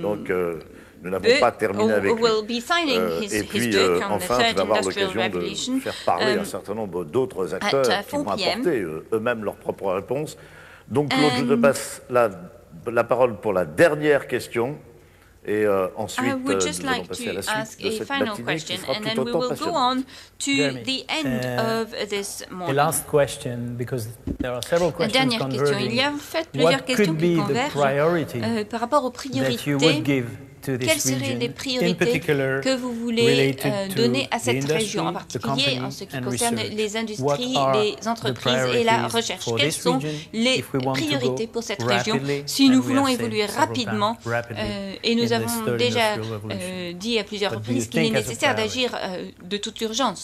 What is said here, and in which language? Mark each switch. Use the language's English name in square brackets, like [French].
[French] Donc nous n'avons pas terminé avec lui. Et puis enfin, tu vas avoir l'occasion de faire parler un certain nombre d'autres acteurs qui vont apporter eux-mêmes leurs propres réponses. Donc Claude, je te passe la parole pour la dernière question. Et ensuite, [English] I would just like to ask a final question, and then we will go on to the end of this morning. The last question, because there are several questions converging. What could be the priority that you would give to this [French] Quelles seraient les priorités que vous voulez donner à cette région, en particulier en ce qui concerne les industries, les entreprises et la recherche? Quelles sont les priorités pour cette région si nous voulons évoluer rapidement? Et nous avons déjà dit à plusieurs reprises qu'il est nécessaire d'agir de toute urgence.